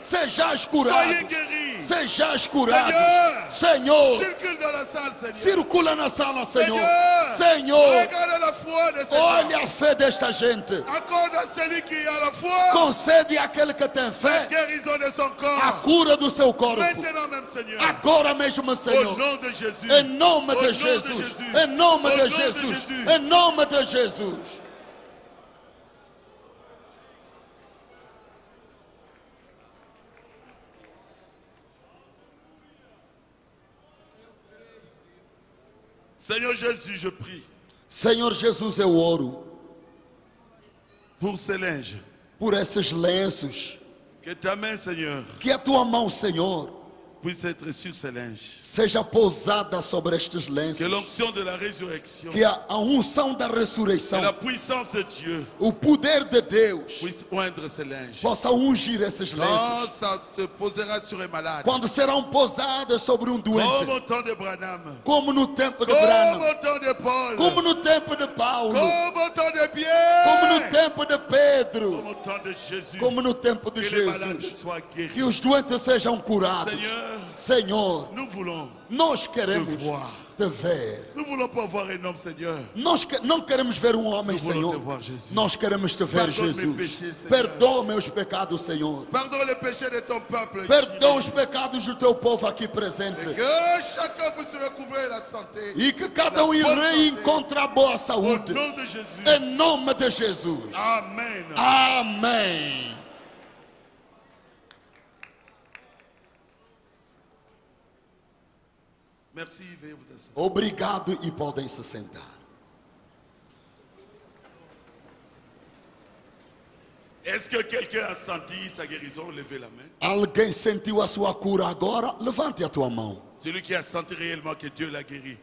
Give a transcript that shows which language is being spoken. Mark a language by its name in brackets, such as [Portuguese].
[Portuguese] Sejais curados. [French] Soyez guéris. [Portuguese] Sejais curados. Senhor. Senhor. [French] Dans la salle, Senhor. [Portuguese] Circula na sala, Senhor. Senhor. Senhor. [French] Regarde la foi de ces [Portuguese] gens. Olha a fé desta gente. [French] Acorda celui qui a la foi. [Portuguese] Concede àquele que tem fé [French] a guérison de son corps. [Portuguese] A cura do seu corpo. [French] Maintenant même, Seigneur. [Portuguese] Agora mesmo, Senhor. [French] Au nom de Jésus. [Portuguese] Em nome de Jesus. Em nome de Jesus. Em nome de Jesus. [French] Seigneur Jésus, je prie. [Portuguese] Senhor Jesus, eu oro. [French] Pour ces linges. [Portuguese] Por esses lenços. [French] Que ta main, Seigneur. [Portuguese] Que a tua mão, Senhor. [French] Puisse être sur ces linges. [Portuguese] Seja pousada sobre estes lenços. [French] Que l'onction de la résurrection. [Portuguese] Que a unção da ressurreição. [French] Que la puissance de Dieu. [Portuguese] O poder de Deus. [French] Puisse oindre ces linges. [Portuguese] Possa ungir esses lenços. [French] Quand ça te posera sur un malade. [Portuguese] Quando serão pousadas sobre doente. [French] Comme au temps de Branham. [Portuguese] Como no tempo de Branham. [French] Comme au temps de Paul. [Portuguese] Como no tempo de Paulo. [French] Comme au temps de Pierre. [Portuguese] Como no tempo de Pedro. [French] Comme au temps de Jésus. [Portuguese] Como no tempo de que Jesus. [French] Les malades soient guéris. [Portuguese] Que os doentes sejam curados. [French] Seigneur, [Portuguese] Senhor, [French] nous voulons [Portuguese] nós queremos [French] te voir. [Portuguese] Te ver. [French] Nous voulons pas voir un homme, Seigneur. [Portuguese] Nós não queremos ver homem, [French] nous [Portuguese] Senhor. [French] Voir, Jesus. [Portuguese] Nós queremos te ver, [French] pardonne [Portuguese] Jesus. [French] Mes péchés, Seigneur. [Portuguese] Perdoa meus pecados, Senhor. [French] Pardonne les péchés de ton peuple. [Portuguese] Perdoa os pecados do teu povo aqui presente. [French] Que chacun puisse recouvrir la santé. [Portuguese] E que cada um reencontre a boa saúde. [French] Au nom de Jesus. [Portuguese] Em nome de Jesus. Amém. Amém. [French] Merci, veuillez vous asseoir. [Portuguese] Obrigado e podem se sentar. [French] Est-ce que quelqu'un a senti sa guérison? Levez la main. [Portuguese] Alguém sentiu a sua cura agora? Levante a tua mão. [French] Celui qui a senti réellement que Dieu l'a guéri.